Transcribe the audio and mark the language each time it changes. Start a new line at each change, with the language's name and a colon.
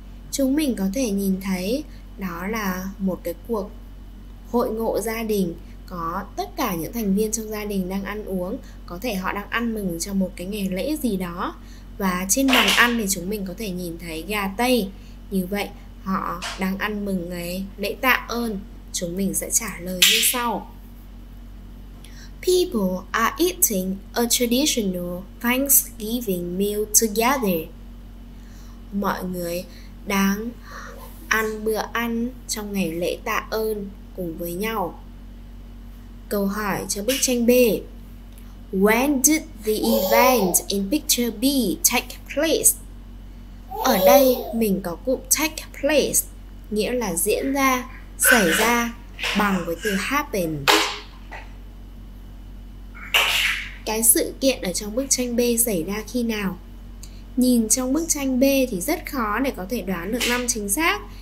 Vietnamese: Chúng mình có thể nhìn thấy đó là một cái cuộc hội ngộ gia đình, có tất cả những thành viên trong gia đình đang ăn uống. Có thể họ đang ăn mừng cho một cái ngày lễ gì đó. Và trên bàn ăn thì chúng mình có thể nhìn thấy gà Tây. Như vậy họ đang ăn mừng ngày lễ tạ ơn. Chúng mình sẽ trả lời như sau.
English: People are eating a traditional Thanksgiving meal together.
Vietnamese: Mọi người đang ăn bữa ăn trong ngày lễ tạ ơn cùng với nhau. Câu hỏi cho bức tranh B.
English: When did the event in picture B take place?
Vietnamese: Ở đây mình có cụm
English: take place,
Vietnamese: nghĩa là diễn ra, xảy ra, bằng với từ happen. Cái sự kiện ở trong bức tranh B xảy ra khi nào? Nhìn trong bức tranh B thì rất khó để có thể đoán được năm chính xác.